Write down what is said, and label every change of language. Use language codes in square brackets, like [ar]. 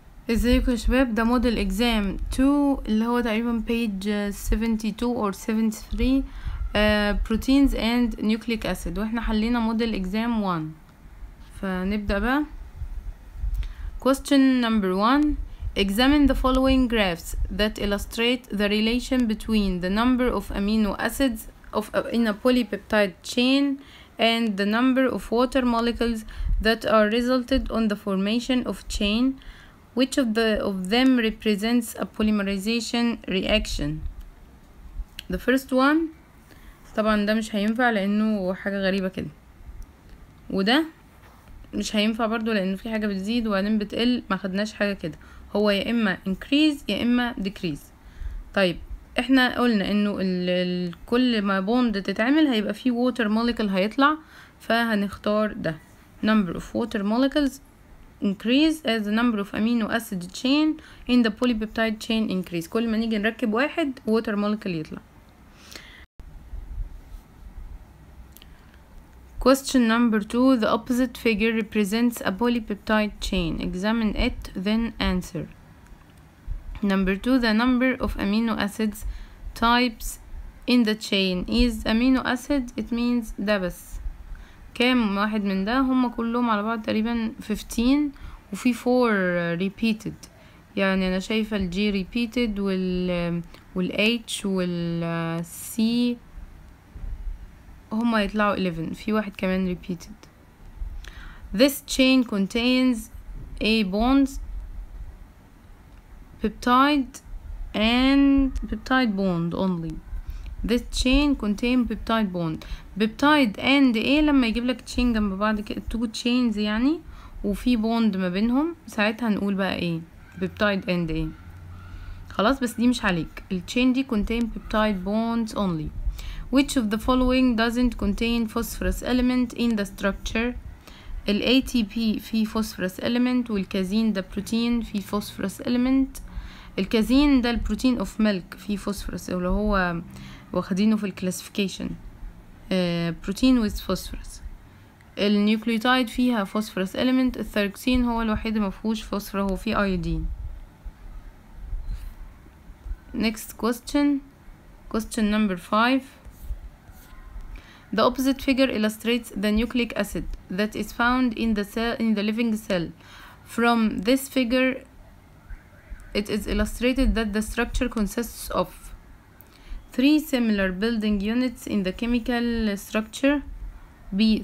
[ar] ازيكم يا شباب؟ ده موديل اكزام 2 اللي هو تقريبا بيج 72 او 73، بروتينز اند نيوكليك اسيد، واحنا حلينا موديل اكزام 1. فنبدا بقى. [en] question number 1: examine the following graphs that illustrate the relation between the number of amino acids of in a polypeptide chain and the number of water molecules that are resulted on the formation of chain. Which of the of them represents a polymerization reaction? The first one. [ar] طبعا ده مش هينفع لانه حاجة غريبة كده، وده مش هينفع برضو لانه في حاجة بتزيد وبعدين بتقل، ما خدناش حاجة كده. هو يا اما increase يا اما decrease. طيب احنا قلنا انه كل ما بوند تتعمل هيبقى فيه [en] water molecule هيطلع، فهنختار ده number of water molecules increase as the number of amino acid chain in the polypeptide chain increase. [ar] كل ما نيجي نركب واحد water molecule يطلع. [en] question number 2: the opposite figure represents a polypeptide chain. Examine it then answer. Number 2: the number of amino acids types in the chain is amino acid. It means [ar] ده بس كام واحد من ده، هم كلهم على بعض تقريبا 15 وفي 4 repeated. يعني انا شايفة ال G repeated وال H وال C هما يطلعوا 11، في واحد كمان repeated. [en] This chain contains A bonds peptide and peptide bond only. This chain contain peptide bond. Peptide and A [ar] لما يجيب لك chain جنب بعض كده، [en] two chains [ar] يعني وفي bond ما بينهم، ساعتها نقول بقى ايه peptide and A. خلاص بس دي مش عليك، ال chain دي [en] contain peptide bonds only. Which of the following doesn't contain phosphorus element in the structure? [ar] ال ATP في phosphorus element والكازين ده protein في phosphorus element. الكازين ده البروتين [en] of milk [ar] في phosphorus، اللي هو واخدينه في الكلاسيفيكيشن بروتين with phosphorus. النيوكليوتايد فيها phosphorus element، الثيروكسين هو الوحيد مفهوش فوسفر، هو فيه ايودين. [en] next question، question number 5: the opposite figure illustrates the nucleic acid that is found in the cell in the living cell. From this figure it is illustrated that the structure consists of three similar building units in the chemical structure. B.